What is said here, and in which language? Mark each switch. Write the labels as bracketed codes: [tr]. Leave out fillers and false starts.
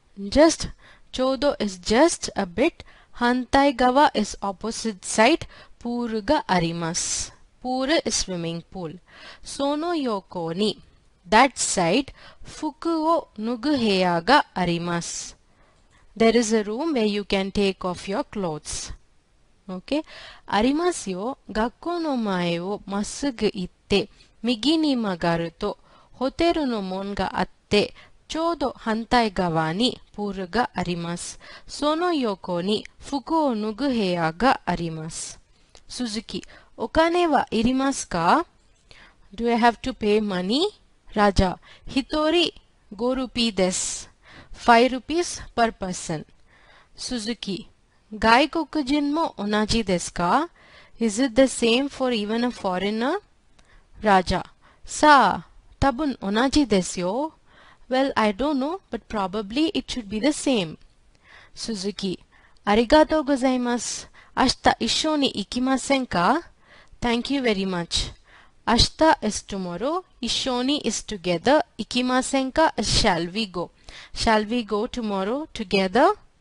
[en] just, ちょうど is just a bit, 反対側 is opposite side, [ja] プールがあります。 [en] プール is swimming pool. [ja] その横に、 [en] that side, [ja] 服を脱ぐ部屋があります。 [en] There is a room where you can take off your clothes. [ja] Okay. ありますよ。学校の前をまっすぐ行って、右に曲がると、ホテルの門があって、ちょうど反対側にプールがあります。その横に服を脱ぐ部屋があります。鈴木、お金はいりますか? [en] Do I have to pay money? [ja] ラジャ、一人5ルピーです。 [en] 5ルピース per person。 [ja] 鈴木、外国人も同じですか? [en] Is it the same for even a foreigner? [ja] Raja, さあ、多分同じですよ。 [en] Well, I don't know, but probably it should be the same. [ja] Suzuki, ありがとうございます。明日一緒に行きませんか? [en] Thank you very much. 明日 is tomorrow, 一緒に is together, [ja] 行きませんか? [en] Shall we go? Shall we go tomorrow together?